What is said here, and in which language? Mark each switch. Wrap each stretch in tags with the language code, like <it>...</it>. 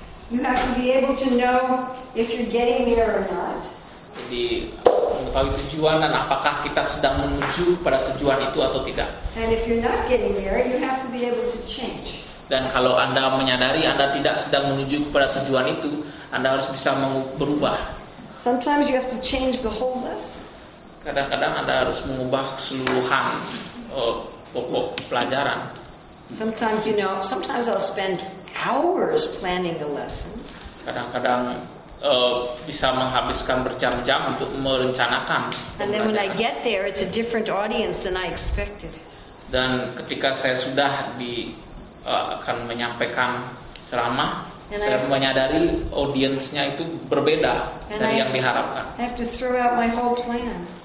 <en>You have to be able to know if you're getting there or not.</en> <id>Jadi mengetahui tujuan dan apakah kita sedang menuju pada tujuan itu atau tidak.</id> <en>And if you're not getting there, you have to be able to change.</en> <id>Dan kalau Anda menyadari Anda tidak sedang menuju kepada tujuan itu, Anda harus bisa berubah.</id> <en>Sometimes you have to change the whole list.</en> <id>Kadang-kadang Anda harus mengubah keseluruhan pokok pelajaran.</id> <en>Sometimes, you know, sometimes I'll spend hours planning the lesson.</en> <id>Kadang-kadang bisa menghabiskan berjam-jam untuk merencanakan.</id> <en>And then when I get there, it's a different audience than I expected.</en> <id>Dan ketika saya sudah di akan menyampaikan ceramah, saya menyadari audiensnya itu berbeda dari yang diharapkan.</id> <en>I have to throw out my whole plan.</en>